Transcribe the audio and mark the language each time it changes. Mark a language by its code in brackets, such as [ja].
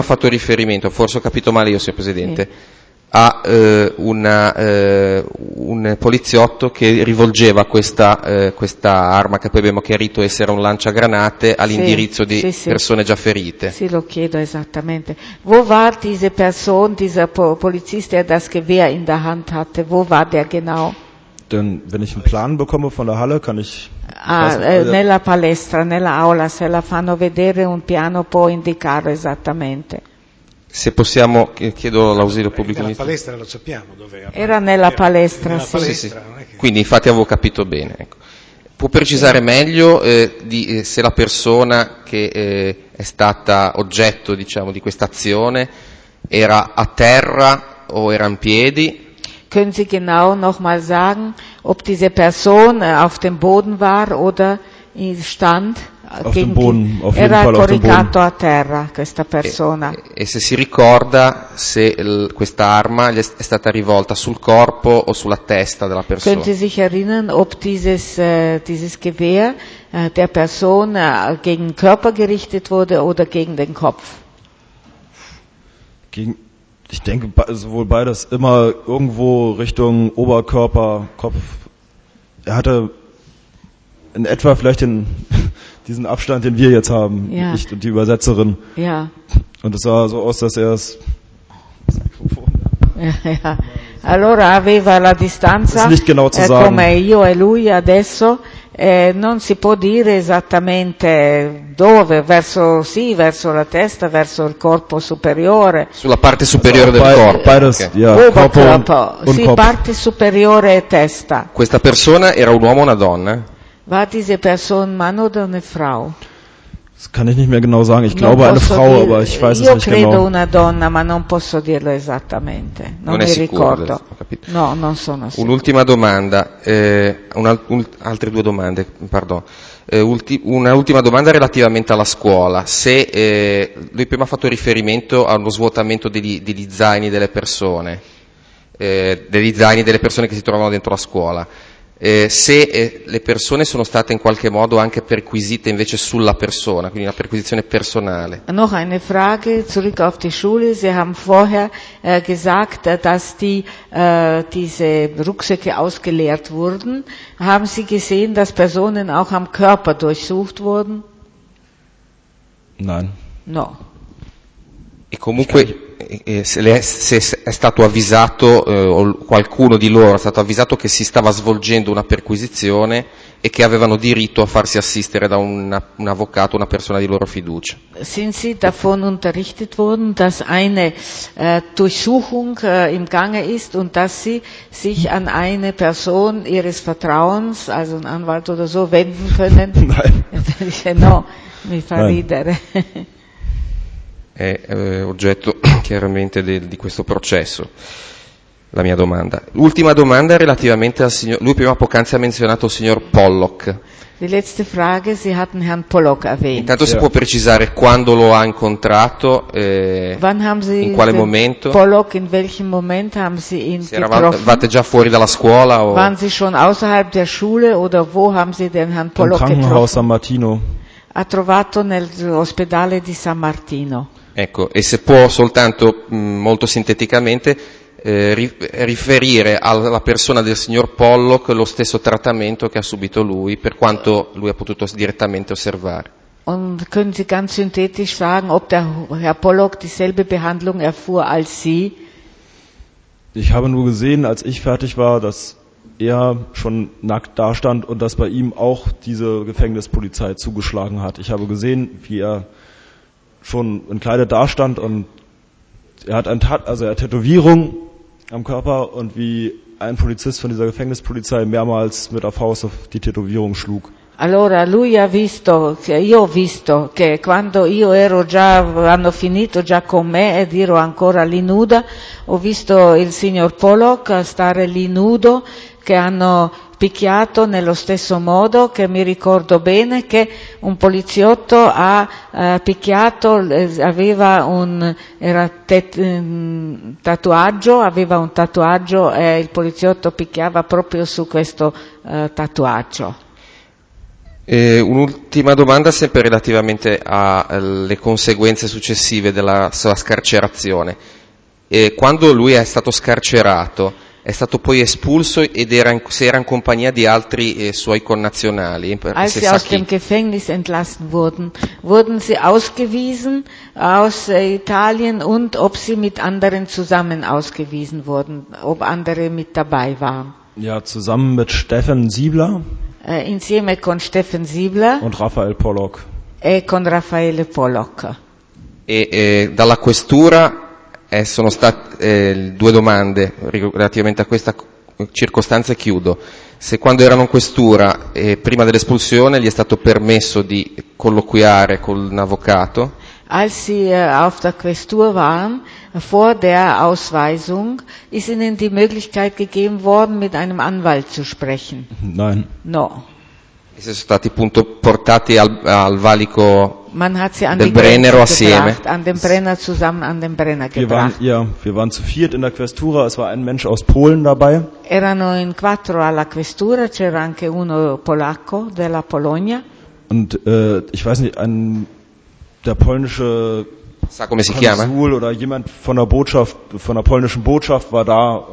[it] Ha fatto riferimento, forse ho capito male io, signor Presidente. Sì. a un poliziotto che rivolgeva questa arma, che poi abbiamo chiarito essere un lanciagranate, all'indirizzo di persone già ferite. Sì, lo chiedo esattamente. [de] Wo war diese Person, dieser Polizist, der das Gewehr in der Hand hatte? Wo war der genau? Denn wenn ich einen Plan bekomme von der Halle, kann ich [it] nella palestra, nella aula, se la fanno vedere un piano può indicare esattamente. Se possiamo, chiedo l'ausilio pubblico. Nella palestra lo sappiamo dove era. Nella palestra, era nella palestra. Sì. Quindi infatti avevo capito bene. Ecco. Può precisare meglio se la persona che è stata oggetto, diciamo, di questa azione era a terra o era in piedi? [de] Können Sie genau nochmal sagen, ob diese Person auf dem Boden war oder in Stand? Auf dem Boden, auf jeden Fall auf dem Boden. [it] Era coricato a terra questa persona. E se si ricorda se questa arma gli è stata rivolta sul corpo o sulla testa della persona? [de] Können Sie sich erinnern, ob dieses Gewehr der Person gegen Körper gerichtet wurde oder gegen den Kopf? Ich denke, sowohl beides, immer irgendwo Richtung Oberkörper, Kopf. Er hatte in etwa vielleicht diesen Abstand, den wir jetzt haben, ich und die Übersetzerin. Ja. Und es sah so aus, dass er es... Das Mikrofon. [it] Allora aveva la distanza. [de] Ist nicht genau zu sagen. [it] Come io e lui adesso, non si può dire esattamente dove, verso la testa, verso il corpo superiore. Sulla parte superiore del corpo. [de] Beides, [it] corpo. Sì, parte superiore e testa. Questa persona era un uomo o una donna? [de] War diese Person Mann oder eine Frau? Das kann ich nicht mehr genau sagen. Ich glaube eine Frau, aber ich weiß es nicht genau. [it] Io credo una donna, ma non posso dirlo esattamente. Non mi ricordo. No, non sono sicuro. Un'ultima domanda, altre due domande, pardon. Un'ultima domanda relativamente alla scuola. Se lui prima ha fatto riferimento allo svuotamento degli zaini delle persone, degli zaini delle persone che si trovavano dentro la scuola. Se le persone sono state in qualche modo anche perquisite invece sulla persona, quindi una perquisizione personale. [de] Noch eine Frage zurück auf die Schule. Sie haben vorher gesagt, dass diese Rucksäcke ausgeleert wurden. Haben Sie gesehen, dass Personen auch am Körper durchsucht wurden? Nein. [it] No. E comunque se è stato avvisato qualcuno di loro è stato avvisato che si stava svolgendo una perquisizione e che avevano diritto a farsi assistere da un avvocato, una persona di loro fiducia. [de] Sind Sie davon unterrichtet worden, dass eine Durchsuchung im Gange ist und dass Sie sich an eine Person Ihres Vertrauens, also einen Anwalt oder so, wenden können? Nein. [it] No, mi fa ridere. È oggetto chiaramente di questo processo, la mia domanda. L'ultima domanda relativamente al signor, lui prima poc'anzi ha menzionato il signor Pollock. [de] Die letzte Frage, Sie hatten Herrn Pollock erwähnt. [it] Intanto si può precisare quando lo ha incontrato, [de] Wann haben Sie [it] in quale momento? [de] Pollock, in welchem Moment haben Sie ihn getroffen? [it] Eravate già fuori dalla scuola o? [de] Waren Sie schon außerhalb der Schule oder wo haben Sie den Herrn Pollock getroffen? Im Krankenhaus am Martino. [it] Ha trovato nell'ospedale di San Martino. Ecco, e se può soltanto molto sinteticamente riferire alla persona del signor Pollock lo stesso trattamento che ha subito lui, per quanto lui ha potuto direttamente osservare. [de] Und können Sie ganz synthetisch sagen, ob der Herr Pollock dieselbe Behandlung erfuhr als Sie? Ich habe nur gesehen, als ich fertig war, dass er schon nackt dastand und dass bei ihm auch diese Gefängnispolizei zugeschlagen hat. Ich habe gesehen, wie er schon in Kleidung dastand und er hat eine Tätowierung am Körper und wie ein Polizist von dieser Gefängnispolizei mehrmals mit der Faust auf die Tätowierung schlug. [it] Allora, lui ha visto, io ho visto, che quando io ero già, hanno finito già con me ed ero ancora lì nuda, ho visto il signor Pollock stare lì nudo, che hanno picchiato nello stesso modo, che mi ricordo bene che un poliziotto ha picchiato, aveva un tatuaggio e il poliziotto picchiava proprio su questo tatuaggio. Un'ultima domanda sempre relativamente alle conseguenze successive della sua scarcerazione. Quando lui è stato scarcerato, è stato poi espulso ed era in, si era in compagnia di altri suoi connazionali. [de] Als sie aus dem Gefängnis entlassen wurden, wurden sie ausgewiesen aus Italien und ob sie mit anderen zusammen ausgewiesen wurden, ob andere mit dabei waren. Ja, zusammen mit Steffen Siebler. [it] Insieme con Steffen Siebler. [de] Und Raphael Pollock. [it] E con Raffaele Pollock. E dalla questura. Sono state due domande relativamente a questa circostanza e chiudo. Se quando erano in questura, prima dell'espulsione, gli è stato permesso di colloquiare con un avvocato? [de] Als sie auf der Questur waren, vor der Ausweisung, ist ihnen die Möglichkeit gegeben worden, mit einem Anwalt zu sprechen? Nein. [it] No. E se sono stati appunto portati al valico [de] Man hat sie an [it] del [de] den [it] Brennero assieme. [de] Gebracht, an den Brenner zusammen an den Brenner gebracht. Wir waren zu viert in der Questura, es war ein Mensch aus Polen dabei. [it] Erano in quattro alla Questura, c'era anche uno polacco della Polonia. [de] Und ich weiß nicht, der polnische [it] Sa come si chiama? [de] Konsul oder jemand von der Botschaft, von der polnischen Botschaft war da.